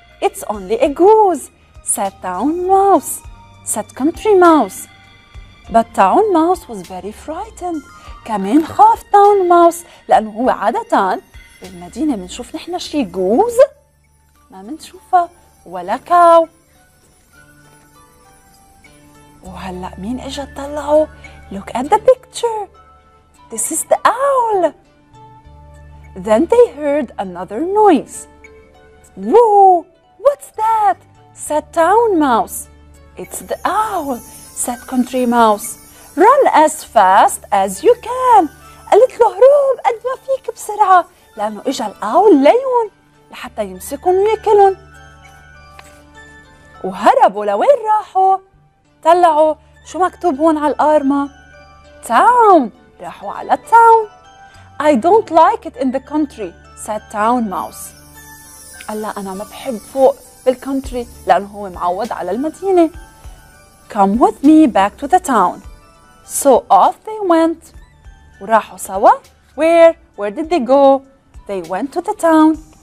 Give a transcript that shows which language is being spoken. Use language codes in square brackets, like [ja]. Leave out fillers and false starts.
[en] It's only a goose, said town mouse, said country mouse. But town mouse was very frightened. [ar] كمان خاف town mouse لأنه هو عادة بالمدينة منشوف نحن شي goose؟ ما منشوفه ولا cow. وهلأ مين إجا تطلعوا؟ [en] Look at the picture. This is the owl. Then they heard another noise. Whoa, what's that? said town mouse. It's the owl, said country mouse. Run as fast as you can. [ar] قالت له هروب قد ما فيك بسرعة لأنه إجا الأول ليون. لحتى يمسكن ويأكلن. وهربوا لوين راحوا؟ طلعوا شو مكتوب هون على الأرمة؟ تاون. راحوا على التاون. [en] I don't like it in the country, said town mouse. [ar] قال لا أنا ما بحب فوق بالكونتري لأنه هو معود على المدينة. [en] Come with me back to the town. So off they went. [ar] وراحوا سوا. [en] Where did they go? They went to the town.